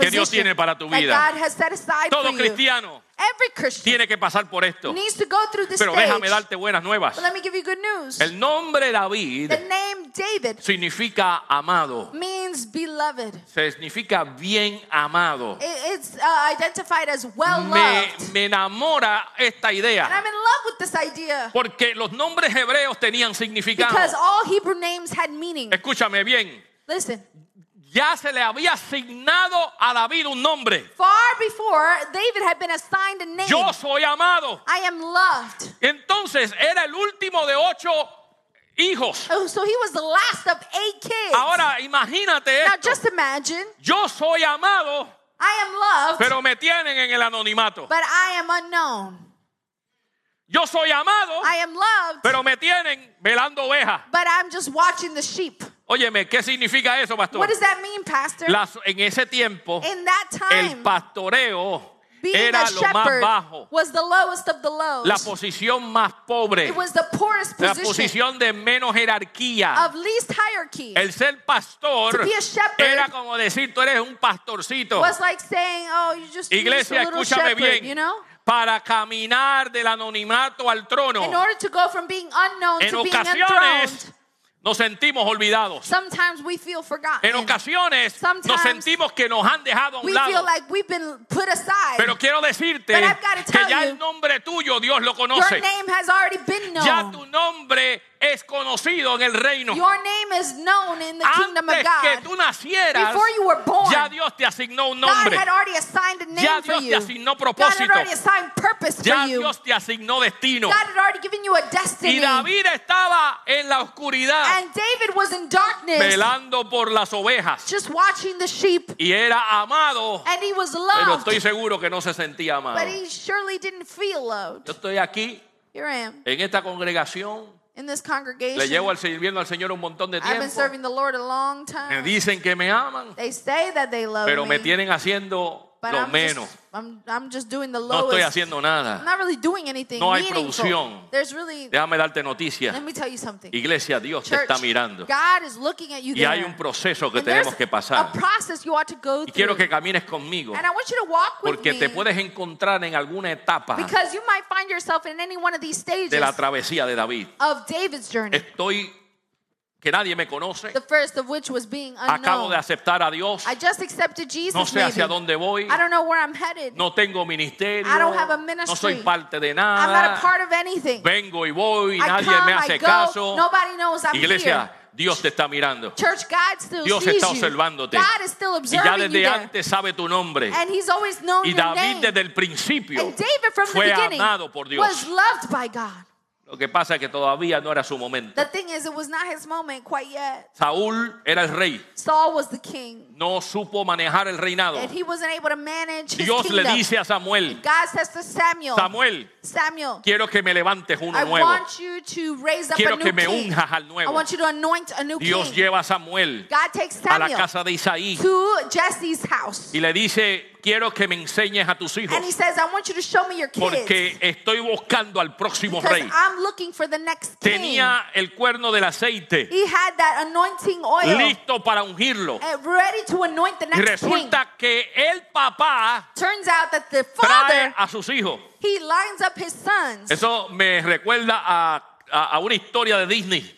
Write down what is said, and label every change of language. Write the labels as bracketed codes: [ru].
[es] que Dios tiene para tu vida. [en] That God has set aside [es] todo [en] for [es] cristiano [en] you. Every Christian [es] tiene que pasar por esto. [en] Needs to go through this [es] Pero déjame [en] stage. [es] Darte buenas nuevas. [en] But let me give you good news. [es] El nombre David, [en] the name David [es] significa amado. [en] Means beloved. [es] Significa bien amado. [en] It's identified as well loved. [es] Me enamora esta idea. [en] And I'm in love with this idea. [es] Porque los nombres hebreos tenían significado. [en] Because all Hebrew names had meaning. [es] Escúchame bien. [en] Listen. [es] Ya se le había asignado a David un nombre. [en] Far before, David had been assigned a name. [es] Yo soy amado. [en] I am loved. [es] Entonces, era el último de ocho hijos. [en] Oh, so he was the last of eight kids. [es] Ahora, imagínate [en] Now, [es] esto. [en] Now, just imagine. [es] Yo soy amado. [en] I am loved. [es] Pero me tienen en el anonimato. [en] But I am unknown. [es] Yo soy amado. [en] I am loved. [es] Pero me tienen velando ovejas. [en] But I'm just watching the sheep. [es] Óyeme, ¿qué significa eso, pastor? [en] What does that mean, pastor? [es] En ese tiempo, [en] in that time, [es] el pastoreo era lo más bajo. [en] Was the lowest of the lows. [es] La posición más pobre. [en] It was the poorest position. [es] La posición de menos jerarquía. [en] Of least hierarchy. [es] El ser pastor [en] to be a shepherd [es] era como decir, tú eres un pastorcito. [en] Was like saying, oh, you just [es] Iglesia, [en] a little shepherd, [es] bien. [en] You know? [es] Para caminar del anonimato al trono. [en] In order to go from being unknown [es] en [en] to [es] ocasiones, [en] being enthroned. [es] Nos sentimos olvidados. [en] Sometimes we feel forgotten. [es] En ocasiones [en] Sometimes [es] nos sentimos que nos han dejado a un [en] we [es] lado. [en] Feel like we've been put aside. [es] Pero quiero decirte que ya el nombre tuyo Dios lo conoce. [en] Your name has already been known. [es] Ya tu nombre es conocido en el reino. [en] Your name is known in the kingdom [es] Antes [en] of God. [es] Que tú nacieras, [en] Before you were born, [es] ya Dios te asignó un nombre. [en] God had already assigned a name [es] ya [en] for [es] Dios [en] you. [es] Te asignó propósito. [en] God had already assigned purpose [es] ya [en] for you. [es] Dios te asignó destino. [en] God had already given you a destiny. [es] Y David estaba en la oscuridad. [en] And David was in darkness. [es] Velando por las ovejas. [en] Just watching the sheep. [es] Y era amado. [en] And he was loved. [es] Pero estoy seguro que no se sentía amado. [en] But he surely didn't feel loved. [es] Yo estoy aquí. [en] Here I am. [es] En esta congregación. [en] In this congregation, [es] le llevo al sirviendo al Señor un montón de tiempo. [en] I've been serving the Lord a long time. [es] Me dicen que me aman. [en] They say that they love [es] pero [en] me. [es] Pero me tienen haciendo [en] but [es] lo [en] I'm [es] menos. [en] I'm just doing the lowest. [es] No estoy haciendo nada. [en] I'm not really doing anything. [es] No hay [en] meaningful. [es] Producción. [en] There's really. [es] Déjame darte noticia. [en] Let me tell you something. [es] Iglesia, Dios [en] Church, [es] te está mirando. [en] God is looking at you. [es] Y [en] there. [es] Hay un proceso que tenemos que pasar. [en] A process you ought to go through. [es] Y quiero que camines conmigo. [en] And I want you to walk with me. [es] Porque te puedes encontrar en alguna etapa. [en] Because you might find yourself in any one of these stages. [es] De la travesía de David. [en] Of David's journey. [es] Estoy que nadie me conoce. [en] The first of which was being unknown. [es] Acabo de aceptar a Dios. [en] I just accepted Jesus. [es] No sé [en] maybe. [es] Hacia dónde voy. [en] I don't know where I'm headed. [es] No tengo ministerio. [en] I don't have a ministry. [es] No soy parte de nada. [en] I'm not a part of anything. [es] Vengo y voy, nadie [en] come, [es] me hace [en] I go. [es] Caso. [en] Nobody knows I'm [es] Iglesia. [en] Here. [es] Iglesia. Dios te está mirando. [en] Church, God still [es] Dios [en] sees [es] está observándote. [en] God is still observing [es] y ya desde [en] you [es] antes sabe tu nombre. [en] And he's always known [es] y David [en] your name. [es] Desde el principio [en] And David from [es] fue [en] the beginning [es] amado por Dios. [en] Was loved by God. [es] Lo que pasa es que todavía no era su momento. [en] The thing is, it was not his moment quite yet. [es] Saúl era el rey. [en] Saul was the king. [es] No supo manejar el reinado. [en] And he wasn't able to manage [es] Dios [en] his kingdom. [es] Le dice a Samuel. [en] And God says to Samuel. [es] Samuel. [en] Samuel. [es] Quiero que me levantes uno [en] I [es] nuevo. [en] I want you to raise up [es] quiero [en] a new [es] que [en] king. [es] Me unjas al nuevo. [en] I want you to anoint a new [es] Dios [en] king. [es] Dios lleva a Samuel. [en] God takes Samuel [es] a la casa de Isaí. [en] To Jesse's house. [es] Y le dice, quiero que me enseñes a tus hijos. [en] And he says, I want you to show me your kids. [es] Porque estoy buscando al próximo [en] Because [es] rey. [en] I'm looking for the next king. [es] Tenía el cuerno del aceite. [en] He had that anointing oil. [es] Listo para ungirlo. [en] Ready to anoint the next king. [es] Y resulta que el papá. [en] Turns out that the father. [es] Trae a sus hijos. [en] He lines up his sons. [es] Eso me recuerda a una historia de Disney.